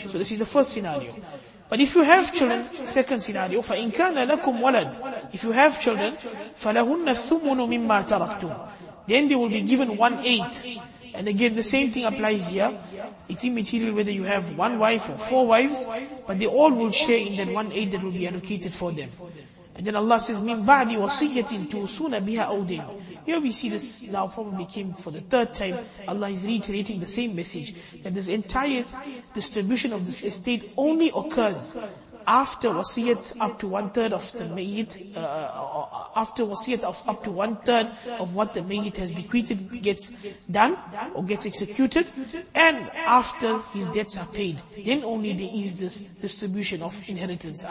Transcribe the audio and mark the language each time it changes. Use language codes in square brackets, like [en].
[en] So this is the first scenario. But if you have children, second scenario, [ar] فَإِنْ كَانَ لَكُمْ وَلَدٌ. [en] If you have children, [ar] فَلَهُنَّ الثُّمُنُ مِمَّا تَرَكْتُمْ. [en] Then they will be given 1/8. And again, the same thing applies here. It's immaterial whether you have 1 wife or 4 wives, but they all will share in that 1/8 that will be allocated for them. And then Allah says, [ar] مِنْ بَعْدِ وَصِيَّةٍ تُوْسُونَ بِهَا أَوْدٍ. [en] Here we see this now probably came for the third time. Allah is reiterating the same message, that this entire distribution of this estate only occurs after wasiyat up to 1/3 of the mayit, after wasiyat of up to 1/3 of what the mayit has bequeathed gets done or gets executed, and after his debts are paid, then only there is this distribution of inheritance.